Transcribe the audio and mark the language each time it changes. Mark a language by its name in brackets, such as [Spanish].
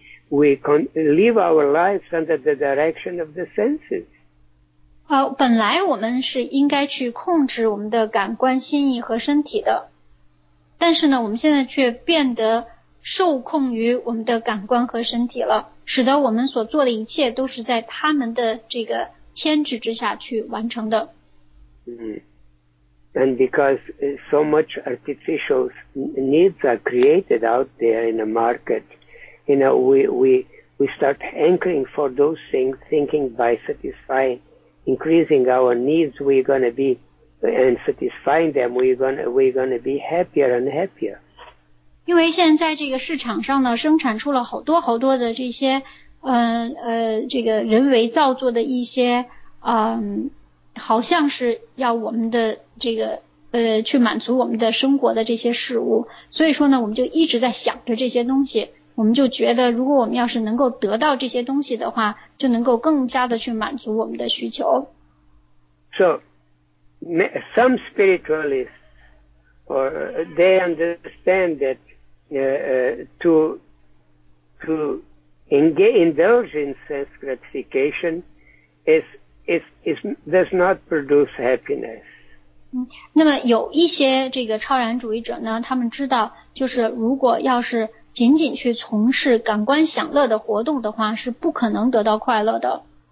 [English] We live our lives under the direction of the senses. [Chinese] 本来我们是应该去控制我们的感官、心意和身体的，但是呢，我们现在却变得受控于我们的感官和身体了，使得我们所做的一切都是在他们的这个牵制之下去完成的。 [English] And because so much artificial needs are created out there in the market. You know, we start hankering for those things, thinking by satisfying, increasing our needs, we're going to be, and satisfying them, we're going to be happier and happier. [Chinese] 因为现在这个市场上呢，生产出了好多好多的这些，这个人为造作的一些，好像是要我们的这个，去满足我们的生活的这些事物。所以说呢，我们就一直在想着这些东西。我们就觉得如果我们要是能够得到这些东西的话，就能够更加的去满足我们的需求。 [English] So, some spiritualists, or they understand that to indulge in sense gratification is does not produce happiness. [Chinese] 那么有一些这个超然主义者呢，他们知道就是如果要是仅仅去从事感官享乐的活动的话，是不可能得到快乐的。